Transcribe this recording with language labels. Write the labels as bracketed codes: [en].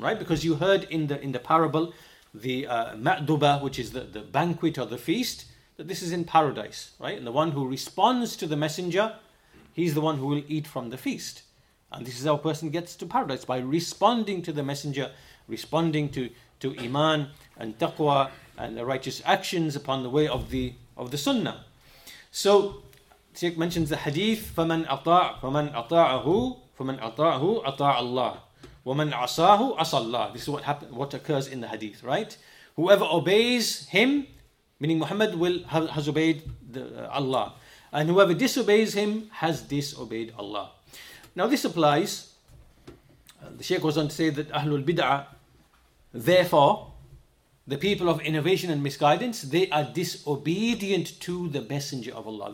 [en] Right, because you heard in the parable, the ma'duba, which is the banquet or the feast, that this is in paradise, right? And the one who responds to the messenger, he's the one who will eat from the feast. And this is how a person gets to paradise, by responding to the messenger, responding to iman and taqwa and the righteous actions upon the way of the sunnah. [ar] So Sheikh mentions the hadith, فَمَنْ أَطَاعَ فَمَنْ أَطَاعَهُ أَطَاعَ اللَّهُ وَمَنْ عَصَاهُ عَصَى اللَّهُ. [en] This is what occurs in the hadith, right? Whoever obeys him, meaning Muhammad, has obeyed Allah. And whoever disobeys him has disobeyed Allah. Now this applies, the Shaykh goes on to say that Ahlul Bid'ah, therefore, the people of innovation and misguidance, they are disobedient to the Messenger of Allah.